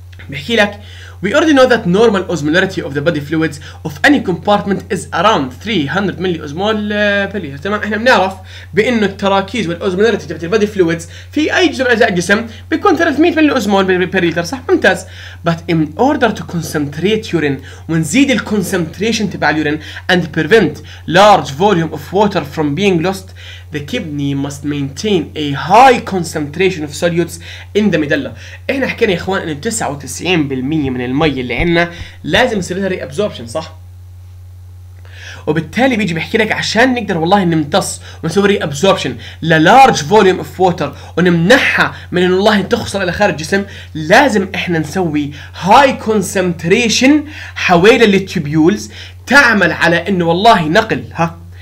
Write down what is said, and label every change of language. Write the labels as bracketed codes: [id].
[ar] بحكي لك [en] we already know that normal osmolarity of the body fluids of any compartment is around 300 [ar] ملي اوزمول بلي، تمام؟ احنا بنعرف بانه التراكيز والاوزمولاريتي تبعت البادي فلويدز في اي جزء من اجزاء الجسم بيكون 300 ملي اوزمول بلي، صح؟ ممتاز. [en] But in order to concentrate urine [ar] ونزيد الكونسنتريشن تبع اليورين [en] and prevent large volume of water from being lost, the kidney must maintain a high concentration of solutes in the medulla. [ar] احنا حكينا يا اخوان ان 99% من المي اللي عندنا لازم يصير لها ريابزوربشن، صح؟ وبالتالي بيجي بحكي لك عشان نقدر والله نمتص ونسوي ريابزوربشن [en] للارج volume of water [ar] ونمنعها من ان والله تخسر الى خارج الجسم، لازم احنا نسوي هاي كونسنتريشن حوالي التيوبيولز تعمل على انه والله نقل، ها